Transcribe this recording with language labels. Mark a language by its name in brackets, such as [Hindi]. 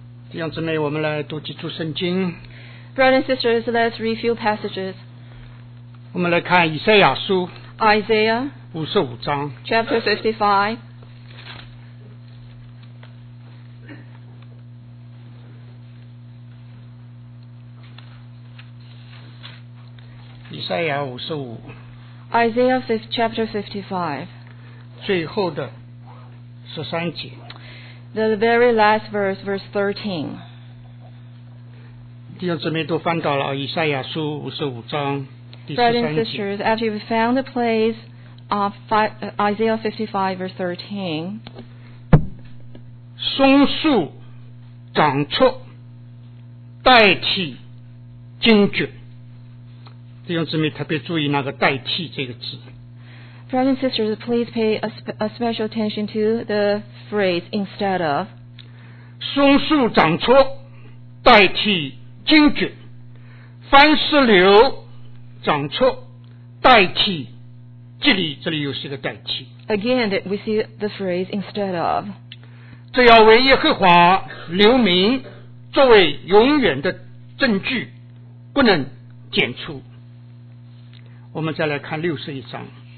[Chinese] 弟兄姊妹，我们来读几处圣经。 [English] Brothers and sisters, let's read a few passages. [Chinese] 我们来看以赛亚书。 [English] Isaiah. [Chinese] 五十五章。 [English] Chapter 55. [Chinese] 以赛亚五十五 [English] Isaiah 5, chapter 55, [Chinese] 最后的十三节 [English] The very last verse, verse 13. [Chinese] 弟兄姊妹都翻到了以赛亚书五十五章第十三节 [English] Brothers and sisters, after you've found the place of Isaiah 55, verse 13, [Chinese] 松树长出代替荆棘弟兄姊妹特别注意那个代替这个字 [English] Brothers and sisters, please pay a special attention to the phrase instead of [Chinese] 松树长出代替荆棘番石榴长出代替蒺藜这里又是一个代替 [English] Again, we see the phrase instead of [Chinese] 这要为耶和华留名作为永远的证据不能剪除我们再来看六十一章